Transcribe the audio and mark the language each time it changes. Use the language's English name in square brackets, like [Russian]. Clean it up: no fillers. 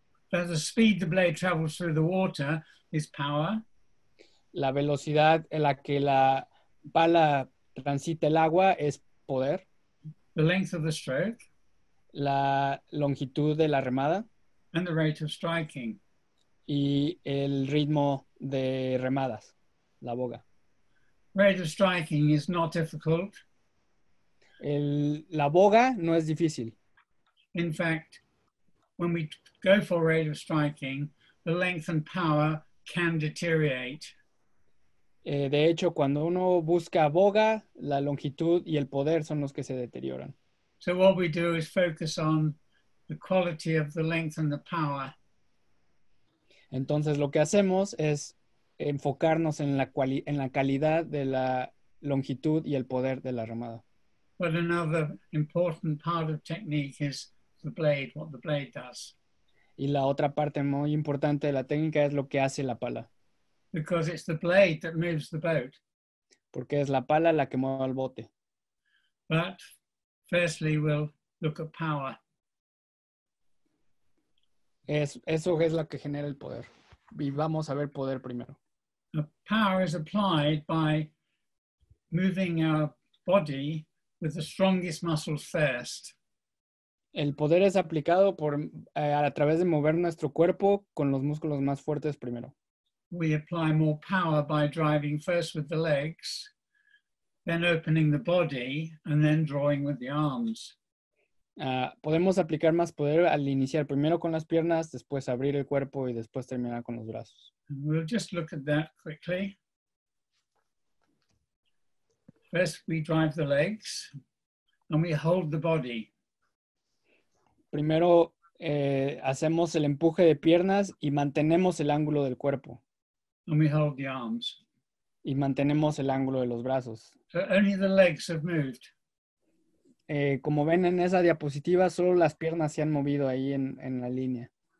[English] The speed the blade travels through the water is power. [Spanish] La velocidad en la que la pala transita el agua es poder. [English] The length of the stroke. [Spanish] La longitud de la remada. [English] And the rate of striking. [Spanish] Y el ritmo de remadas, la boga. [English] Rate of striking is not difficult. [Spanish] La boga no es difícil. [English] In fact, when we go for rate of striking, the length and power can deteriorate. [Spanish] De hecho, cuando uno busca boga, la longitud y el poder son los que se deterioran. [English] So what we do is focus on the quality of the length and the power. [Spanish] Entonces, lo que hacemos es enfocarnos en la calidad de la longitud y el poder de la remada. [English] But another important part of technique is the blade, what the blade does. [Spanish] Y la otra parte muy importante de la técnica es lo que hace la pala. [English] Because it's the blade that moves the boat. [Spanish] Porque es la pala la que mueve el bote. [English] But firstly, we'll look at power. [Spanish] Eso es lo que genera el poder. Y vamos a ver poder primero. [English] The power is applied by moving our body with the strongest muscles first. [Spanish] El poder es aplicado a través de mover nuestro cuerpo con los músculos más fuertes primero. [English] We apply more power by driving first with the legs, then opening the body, and then drawing with the arms. [Spanish] Podemos aplicar más poder al iniciar primero con las piernas, después abrir el cuerpo y después terminar con los brazos. [English] And we'll just look at that quickly. First, we drive the legs, and we hold the body. [Spanish] Primero, hacemos el empuje de piernas y mantenemos el ángulo del cuerpo. [English] And we hold the arms. [Spanish] Y mantenemos el ángulo de los brazos. [English] So only the legs have moved. [Spanish] Como ven en esa diapositiva, solo las piernas se han movido ahí en la línea.